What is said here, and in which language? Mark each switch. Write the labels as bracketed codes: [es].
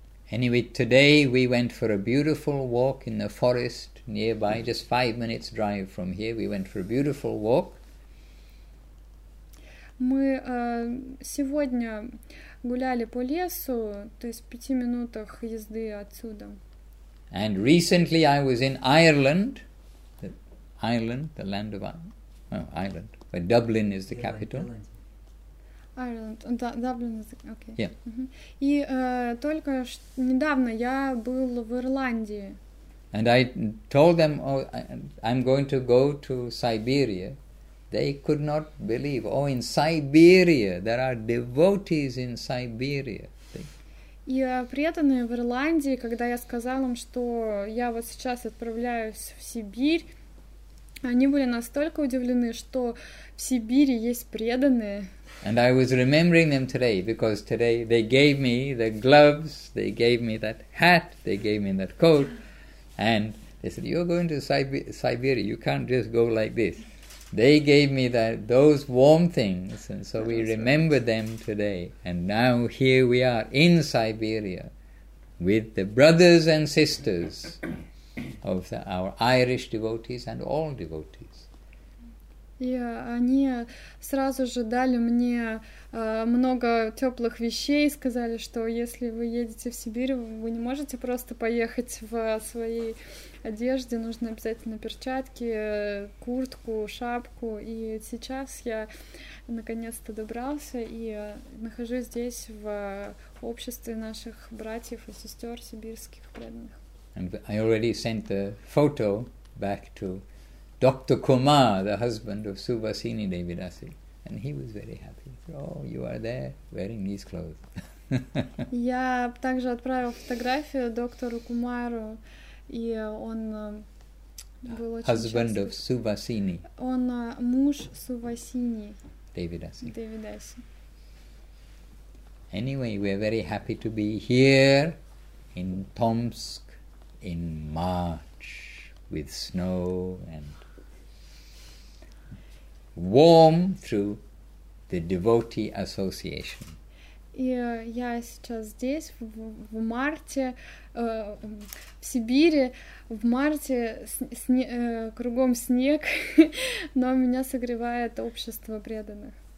[en] Anyway, today we went for a beautiful walk in the forest nearby, just 5 minutes drive from here. We went for a beautiful walk. [ru] Мы сегодня гуляли по лесу, то есть в 5 минутах езды отсюда. [en] And recently I was in Ireland, where Dublin is the capital. Ireland, Dublin is okay. Yeah. [ru] Mm-hmm. И только недавно я был в Ирландии. [en] And I told them, I'm going to go to Siberia. They could not believe, in Siberia, there are devotees in Siberia. [ru] И преданные в Ирландии, когда я сказал им, что я вот сейчас отправляюсь в Сибирь, Они были настолько удивлены, что в Сибири есть преданные. [en] And I was remembering them today, because today they gave me the gloves, they gave me that hat, they gave me that coat, and they said, you're going to Siberia, you can't just go like this. They gave me that, those warm things, and so we remember them today. And now here we are in Siberia with the brothers and sisters of the, our Irish devotees and all devotees. [ru] И они сразу же дали мне много теплых вещей и сказали, что если вы едете в Сибирь, вы не можете просто поехать в своей одежде, нужно обязательно перчатки, куртку, шапку. И сейчас я наконец-то добрался и нахожусь здесь в обществе наших братьев и сестер сибирских преданных. [en] And I already sent the photo back to Dr. Kumar, the husband of Subhasini Devidasi. And he was very happy. He said, oh, you are there wearing these clothes. [ru] Я также отправил фотографию доктору Кумару, и он был очень [en] Husband of Subhasini. [ru] Он муж Субхасини. [en] Devidasi. Anyway, we are very happy to be here in Tomsk in March with snow and warm through the devotee association. [ru] И я сейчас здесь в марте в Сибири в марте кругом снег, но меня согревает общество преданных.